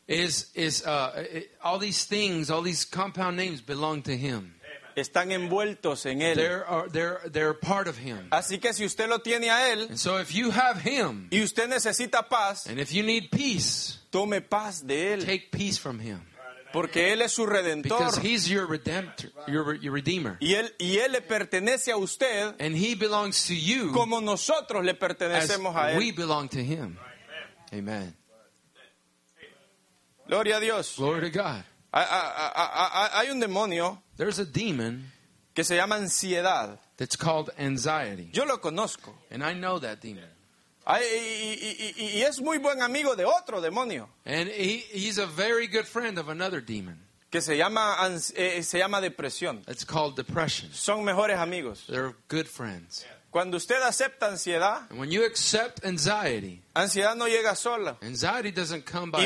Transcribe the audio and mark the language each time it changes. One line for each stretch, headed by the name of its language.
English: Is all these things, all these compound names belong to him.
Spanish: Están envueltos en él.
English: They're part of him.
Spanish: Así que si usted lo tiene a él,
English: and so if you have him,
Spanish: y usted necesita paz,
English: and if you need peace,
Spanish: tome paz de él.
English: Take peace from him.
Spanish: Porque él es su redentor.
English: Because he's your redemptor, your redeemer.
Spanish: Y él le pertenece a usted.
English: And he belongs to you.
Spanish: Como nosotros le pertenecemos
English: as
Spanish: a él.
English: We belong to him. Amen.
Spanish: Gloria a Dios.
English: Glory to God.
Spanish: Hay un demonio.
English: There's a demon
Spanish: que se llama ansiedad.
English: That's called anxiety.
Spanish: Yo lo conozco.
English: And I know that demon.
Spanish: Y es muy buen amigo de otro demonio.
English: And he's a very good friend of another demon.
Spanish: Que se llama depresión.
English: It's called depression.
Spanish: Son mejores amigos.
English: They're good friends.
Spanish: Cuando usted acepta ansiedad,
English: and when you accept anxiety,
Spanish: ansiedad no llega sola.
English: Anxiety doesn't come by